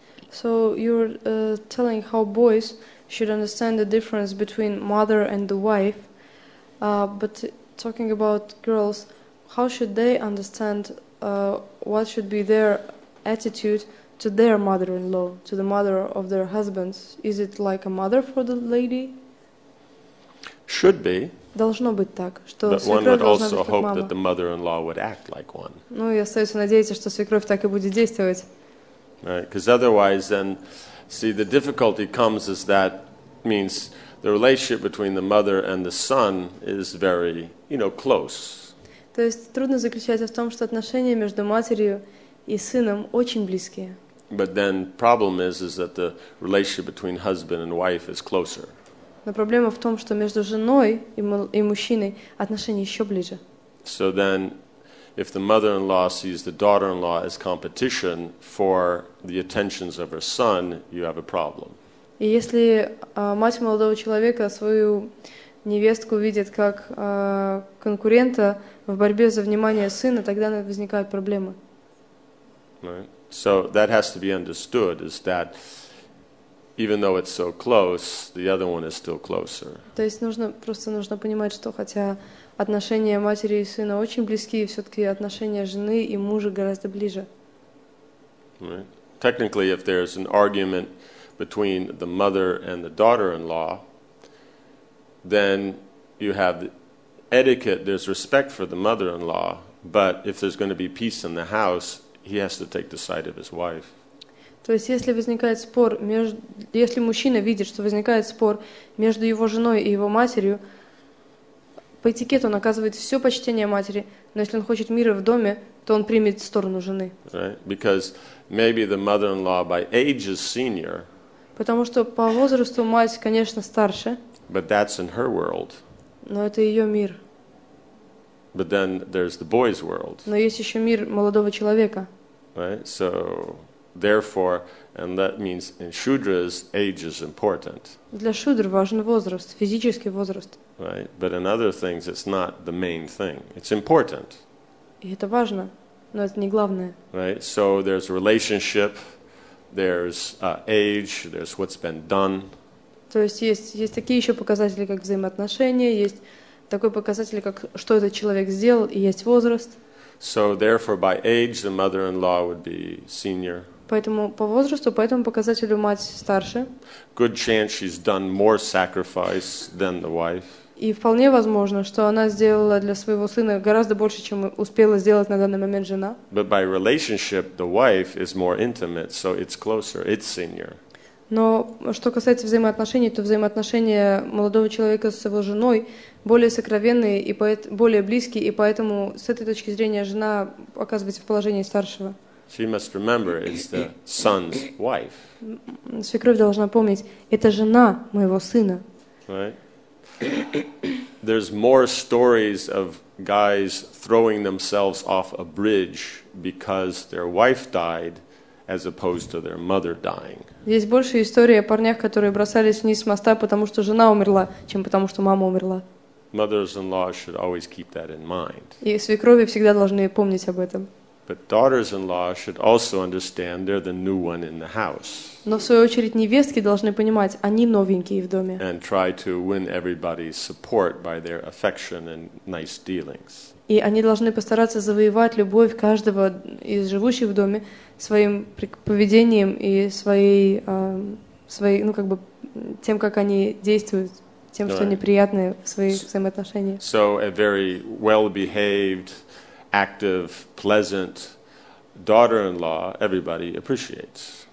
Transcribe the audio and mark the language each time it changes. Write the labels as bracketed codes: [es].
[en] So you're telling how boys should understand the difference between mother and the wife, but talking about girls, how should they understand what should be their attitude to their mother-in-law, to the mother of their husbands? Is it like a mother for the lady? Should be. [ru] Должно быть так, что [en] But one would also hope that the mother-in-law would act like one. [ru] Ну и остается надеяться, что свекровь так и будет действовать. [en] Right, because otherwise, then, see, the difficulty comes is that means the relationship between the mother and the son is very, you know, close. [ru] То есть трудно заключается в том, что отношения между матерью и сыном очень близкие. [en] But then, problem is that the relationship between husband and wife is closer. [ru] Но проблема в том, что между женой и мужчиной отношения еще ближе. [en] So then. If the mother-in-law sees the daughter-in-law as competition for the attentions of her son, you have a problem. [ru] И если мать молодого человека свою невестку видит как конкурента в борьбе за внимание сына, тогда возникают проблемы. [en] Right. So that has to be understood is that even though it's so close, the other one is still closer. [ru] То есть нужно понимать, что хотя отношения матери и сына очень близки, и все-таки отношения жены и мужа гораздо ближе. [en] Right. Technically, if there's an argument between the mother and the daughter-in-law, then you have the etiquette, there's respect for the mother-in-law, but if there's going to be peace in the house, he has to take the side of his wife. [ru] То есть, если возникает спор если мужчина видит, что возникает спор между его женой и его матерью, по этикету он оказывает все почтение матери, но если он хочет мира в доме, то он примет сторону жены. [en] Right. Because maybe the mother-in-law by age is senior. [ru] Потому что по возрасту мать, конечно, старше. [en] But that's in her world. [ru] Но это ее мир. [en] But then there's the boy's world. [ru] Но есть еще мир молодого человека. [en] Right. So therefore, and that means in Shudras, age is important. [ru] Для шудр важен возраст, физический возраст. [en] Right, but in other things, it's not the main thing. It's important. [ru] И это важно, но это не главное. [en] Right, so there's relationship, there's age, there's what's been done. [ru] То есть есть такие еще показатели, как взаимоотношения, есть такой показатель, как что этот человек сделал, и есть возраст. [en] So therefore, by age, the mother-in-law would be senior. [ru] Поэтому по возрасту, по этому показателю мать старше. [en] Good chance she's done more sacrifice than the wife. [ru] И вполне возможно, что она сделала для своего сына гораздо больше, чем успела сделать на данный момент жена. [en] But by relationship, the wife is more intimate, so it's closer, it's senior. [ru] Но что касается взаимоотношений, то взаимоотношения молодого человека с его женой более сокровенные и более близкие, и поэтому с этой точки зрения жена оказывается в положении старшего. [en] She must remember it's the son's wife. [ru] Свекровь должна помнить, это жена моего сына. [en] Right? There's more stories of guys throwing themselves off a bridge because their wife died, as opposed to their mother dying. [ru] Есть больше историй о парнях, которые бросались вниз с моста, потому что жена умерла, чем потому что мама умерла. [en] Mothers-in-law should always keep that in mind. [ru] И свекрови всегда должны помнить об этом. [en] But daughters-in-law should also understand they're the new one in the house. [ru] Но в свою очередь невестки должны понимать, они новенькие в доме. [en] And try to win everybody's support by their affection and nice dealings. [ru] И они должны постараться завоевать любовь каждого из живущих в доме своим поведением и своей своей, ну как бы тем, как они действуют, тем, что неприятное в своих взаимоотношениях. [en] So a very well-behaved, active, pleasant daughter-in-law everybody appreciates.